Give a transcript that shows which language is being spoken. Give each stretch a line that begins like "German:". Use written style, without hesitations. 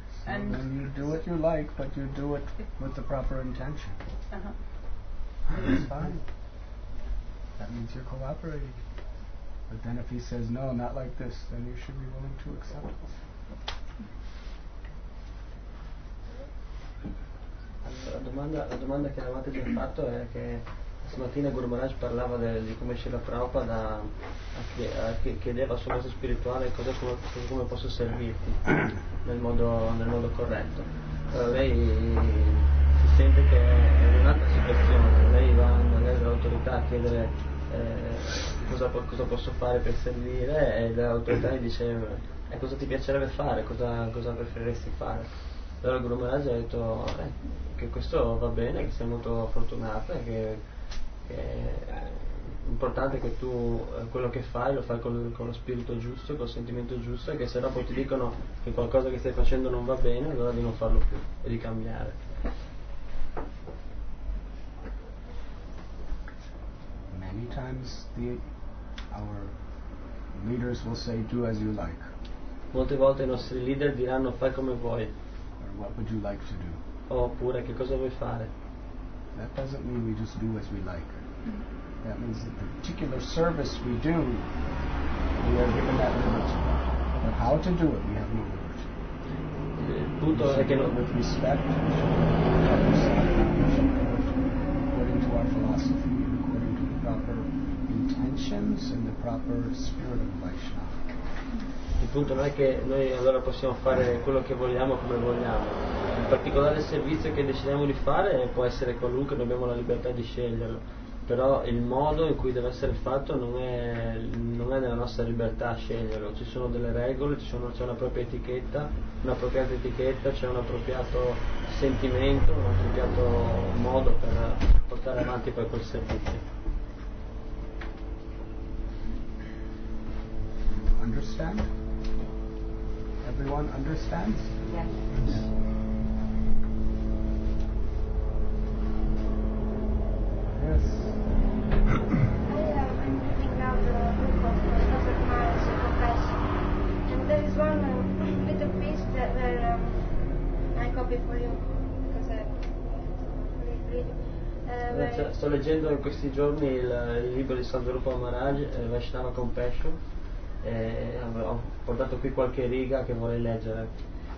English: And then you do what you like, but you do it with the proper intention. Uh-huh. That's fine. That means you're cooperating. But then if he says, no, not like this, then you should be willing to accept it.
Italian: La domanda che eravate già fatto è che Stamattina Guru Maharaj parlava di come Srila Prabhupada chiedeva al suo maestro spirituale come posso servirti nel modo corretto. Lei si sente che è in un'altra situazione, lei va nell'autorità a chiedere cosa posso fare per servire, e l'autorità gli dice cosa ti piacerebbe fare, cosa preferiresti fare. Allora Guru Maharaj ha detto che questo va bene, che sei molto fortunata, che è importante che tu quello che fai lo fai con lo spirito giusto, col sentimento giusto, e che se dopo ti dicono che qualcosa che stai facendo non va bene, allora di non farlo più e di cambiare.
English: Many times our leaders will say do as you like.
Italian: Molte volte i nostri leader diranno fai come vuoi.
English: Or what would you like to do?
Italian: Oppure che cosa vuoi fare?
English: That doesn't mean we just do as we like. That means that the particular service we do, we are given that liberty. But how to do it, we have no liberty.
Italian: Punto è che
English: with respect, according to our philosophy, according to the proper intentions and the proper spirit of Vaishnava.
Italian: Il punto non è che noi allora possiamo fare quello che vogliamo come vogliamo. Il particolare servizio che decidiamo di fare può essere qualunque, noi abbiamo la libertà di sceglierlo, però il modo in cui deve essere fatto non è nella nostra libertà sceglierlo. Ci sono delle regole, c'è una propria etichetta, una appropriata etichetta, c'è un appropriato sentimento, un appropriato modo per portare avanti poi quel servizio.
English: Understand? Everyone understands? Yes. Yes. I'm reading now the book of Prophet Maharaj's confession. And there is one little piece that I copy for you because I read it.
Italian: Sto leggendo in questi giorni il libro di Santo Rupa Maharaj, Vaishnava Compassion, e ho portato qui qualche riga che vorrei leggere.